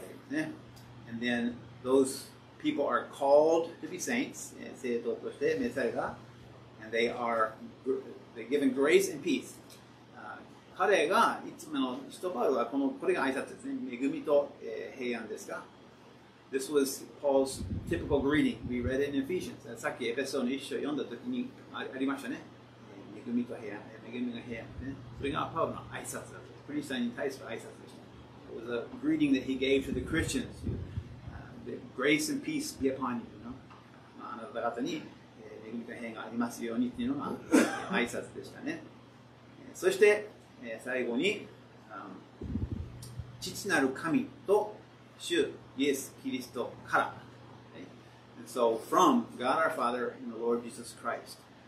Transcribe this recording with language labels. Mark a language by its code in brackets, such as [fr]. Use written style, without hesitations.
[en] And then those people are called to be saints, and they are given grace and peace. [ja] 彼がいつもの使徒パウロはこのこれが挨拶ですね。恵みと平安ですか。 [en] This was Paul's typical greeting. We read it in Ephesians. [ja] さっきエペソの一章読んだ時にありましたね。恵みと平安、恵みが平安ね。それがパウロの挨拶だと。クリスチャンに対する挨拶でした。 [en] It was a greeting that he gave to the Christians. Grace and peace be upon you. No? [ja] まあ、あなた方に恵みと平安がありますようにっていうのが挨拶でしたね。そして最後に、父なる神と主イエス・キリストから。 [en] Okay? And so, from God our Father and the Lord Jesus Christ.